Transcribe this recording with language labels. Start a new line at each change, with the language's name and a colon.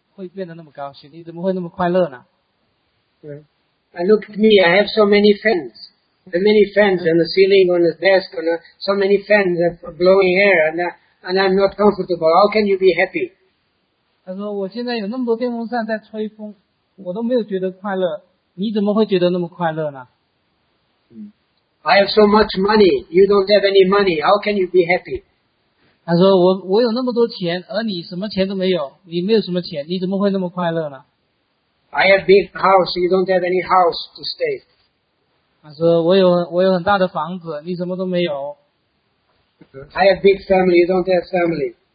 Chinese: 今天那么热，你怎么可能会变得那么高兴？你怎么会那么快乐呢？
English: I look at me, I have so many fans. The many fans on the ceiling, on the desk, on the, so many fans are blowing air, and I'm not comfortable. How can you be happy?
Chinese: 他说，我现在有那么多电风扇在吹风。我都没有觉得快乐，你怎么会觉得那么快乐呢？
English: I have so much money, you don't have any money, how can you be happy?
Chinese: 他说，我有那么多钱，而你什么钱都没有，你没有什么钱，你怎么会那么快乐呢？
English: I have big house, you don't have any house to stay.
Chinese: 他说，我有很大的房子，你什么都没有。
English: I have big family, you don't have family.